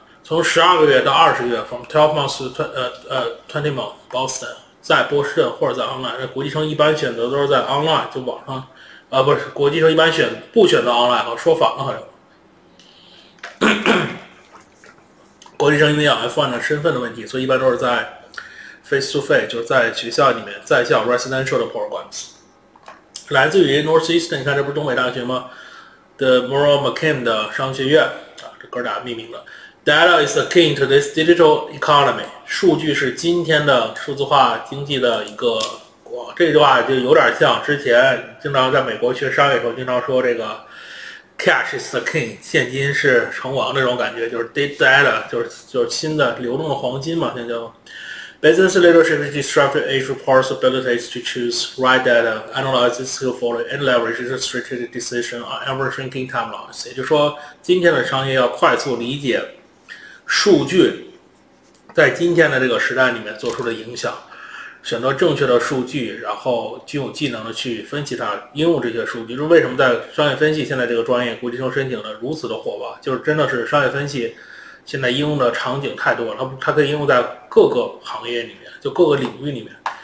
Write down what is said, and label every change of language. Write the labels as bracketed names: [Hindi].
[Chinese] 从12个月到20月 [English] from 12 months to 20 months [Chinese] Boston， 在波士顿或者在 online， 那国际生一般选择都是在 online， 就网上不是，国际生一般选不选择 online， 说反了，好像国际生因为要 F1 的身份的问题，所以一般都是在 [English] face to face， [Chinese] 就是在学校里面在校 residential 的 programs， 来自于 Northeastern， 你看这不是东北大学吗？ The Morrow McKim 的商学院啊，这哥俩命名的。 [English] Data is the key to this digital economy. [Chinese] 数据是今天的数字化经济的一个，哇，这句话就有点像之前经常在美国学商业的时候经常说这个 [English] cash is the king， [Chinese] 现金是成王那种感觉，就是 data 就是新的流动的黄金嘛，现在就 [English] Business leadership is disrupting age requires abilities to choose right data, analyze it skillfully, and leverage the strategic decision on ever-shrinking timelines. [Chinese] 也就是说，今天的商业要快速理解数据在今天的这个时代里面做出的影响，选择正确的数据，然后具有技能的去分析它，应用这些数据。就是为什么在商业分析现在这个专业国际生申请的如此的火爆，就是真的是商业分析现在应用的场景太多了， 它可以应用在各个行业里面，就各个领域里面。